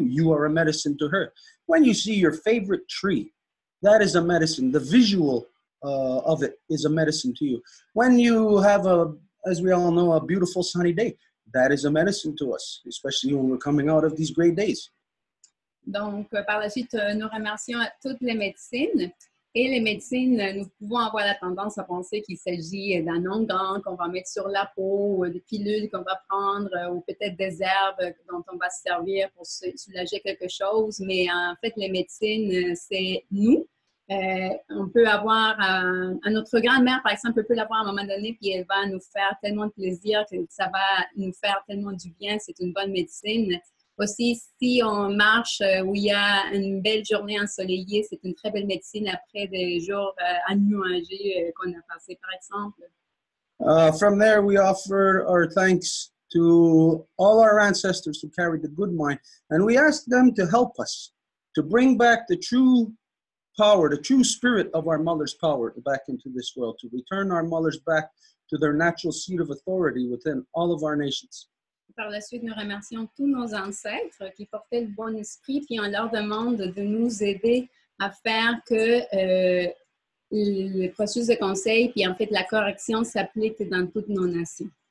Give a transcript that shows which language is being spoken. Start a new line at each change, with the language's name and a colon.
English: You are a medicine to her. When you see your favorite tree, that is a medicine. The visual of it is a medicine to you. When you have as we all know, a beautiful sunny day. That is a medicine to us, especially when we're coming out of these great days.
French: Donc, par la suite, nous remercions toutes les médecines. Et les médecines, nous pouvons avoir la tendance à penser qu'il s'agit d'un onguent qu'on va mettre sur la peau, des pilules qu'on va prendre, ou peut-être des herbes dont on va se servir pour soulager quelque chose. Mais en fait, les médecines, c'est nous. On peut avoir notre grand-mère, par exemple, peut l'avoir à un moment donné, puis elle va nous faire tellement de plaisir, que ça va nous faire tellement du bien, c'est une bonne médecine. Aussi, si on marche où il y a une belle journée ensoleillée, c'est une très belle médecine après des jours annuagés qu'on a passé, par exemple.
English: From there, we offer our thanks to all our ancestors who carried the good mind, and we ask them to help us to bring back the true power, the true spirit of our mother's power back into this world, to return our mothers back to their natural seat of authority within all of our nations.
French: Par la suite, nous remercions tous nos ancêtres qui portaient le bon esprit, puis on leur demande de nous aider à faire que le processus de conseil, puis en fait la correction s'applique dans toutes nos nations.